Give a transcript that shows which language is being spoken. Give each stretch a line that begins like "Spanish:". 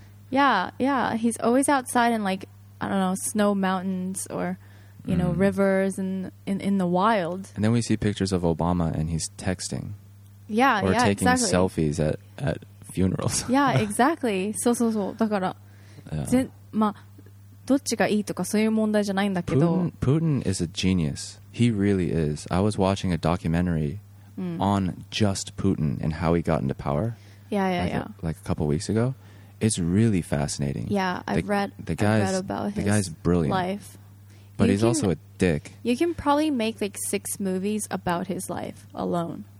English: Yeah, he's always outside in like, I don't know, snow mountains or you know, rivers and in the wild. And then we see pictures of Obama and he's texting. Yeah, or yeah, taking exactly. selfies at funerals. Yeah, exactly. So, so, so.
Japanese: だから、まあ、どっちがいいとかそういう問題じゃないんだけど。
English: Putin is a genius. He really is. I was watching a documentary on just Putin and how he got into power. Yeah, yeah, yeah. Like a couple weeks ago. It's really fascinating. Yeah, I've read about his life. But he's also a dick. You can probably make like 6 movies about his life alone.